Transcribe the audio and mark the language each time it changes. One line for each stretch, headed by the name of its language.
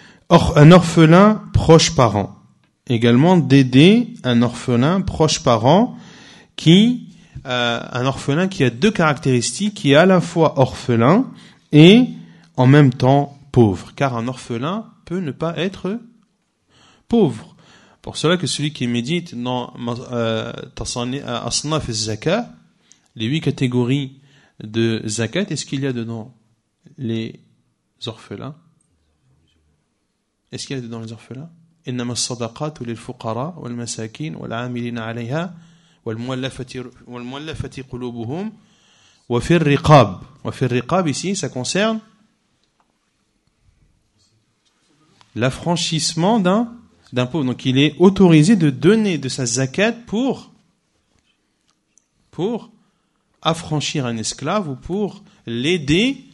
French: Un orphelin proche parent. Également d'aider un orphelin proche parent qui un orphelin qui a deux caractéristiques, qui est à la fois orphelin et en même temps pauvre, car un orphelin peut ne pas être pauvre. Pour cela que celui qui médite dans Asnaf al-Zakat, les huit catégories de Zakat, est-ce qu'il y a dedans les orphelins? Est-ce qu'il y a dedans les orphelins?
Arabic: إنما الصدقات للفقراء والمساكين والعاملين عليها والمؤلفة قلوبهم وفي الرقاب. وفي الرقاب
French: ici ça concerne l'affranchissement d'un pauvre. Donc il est autorisé de donner de sa zakat pour affranchir un esclave ou pour l'aider.